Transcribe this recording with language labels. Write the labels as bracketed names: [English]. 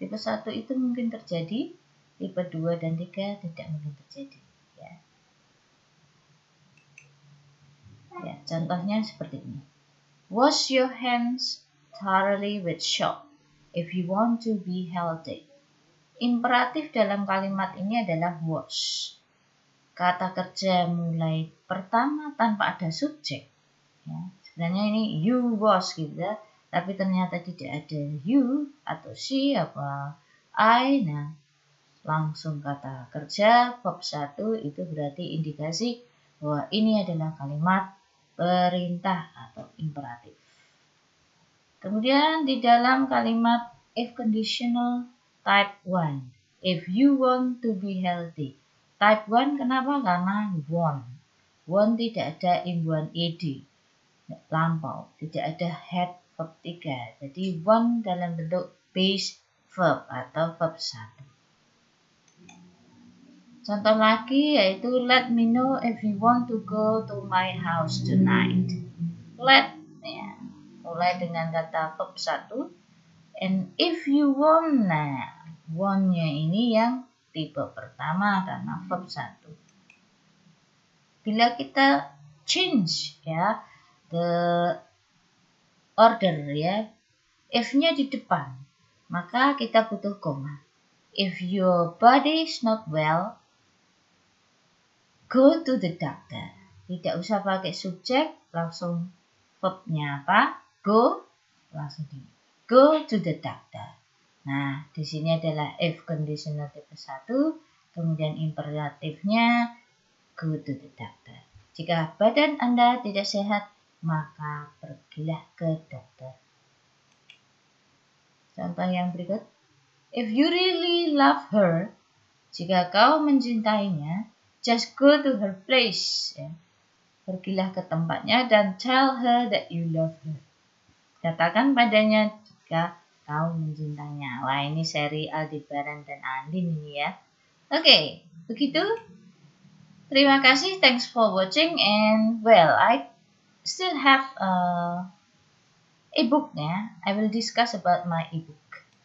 [Indonesian] Tipe 1 itu mungkin terjadi. Tipe 2 dan 3 tidak mungkin terjadi. Ya. Ya, contohnya seperti ini. [English] Wash your hands thoroughly with soap if you want to be healthy. [Indonesian] Imperatif dalam kalimat ini adalah wash. Kata kerja mulai pertama tanpa ada subjek. Ya, sebenarnya ini [English] you was [Indonesian] gitu ya. Tapi ternyata tidak ada you atau she apa I. Nah, langsung kada kerja verb 1 itu berarti indikasi bahwa ini adalah kalimat perintah atau imperatif. Kemudian di dalam kalimat if conditional type 1. [English] If you want to be healthy. Type 1 [Indonesian] kenapa? Karena want. Want tidak ada imbuhan ed, lampau. Tidak ada head verb 3. Jadi want dalam bentuk base verb atau verb 1. Contoh lagi yaitu [English] let me know if you want to go to my house tonight. [Indonesian] Let, ya, mulai dengan kata verb 1. [English] And if you want, [Indonesian] nah, want-nya ini yang tipe pertama karena verb 1. Bila kita change ya [English] the order [Indonesian] ya, if-nya di depan, maka kita butuh koma. [English] If your body is not well, go to the doctor. [Indonesian] Tidak usah pakai subjek, langsung verb-nya apa? [English] Go, [Indonesian] langsung di. [English] Go to the doctor. [Indonesian] Nah, di sini adalah if conditional tipe 1, kemudian imperatifnya [English] go to the doctor. [Indonesian] Jika badan Anda tidak sehat, maka pergilah ke dokter. Contoh yang berikut. [English] If you really love her, [Indonesian] jika kau mencintainya, [English] just go to her place. [Indonesian] Ya. Pergilah ke tempatnya dan [English] tell her that you love her. [Indonesian] Katakan padanya jika kau mencintainya. Wah, ini seri Aldebaran dan Andin ini ya. Oke, begitu. Terima kasih, [English] thanks for watching, and well, I still have e-book, yeah. I will discuss about my e-book.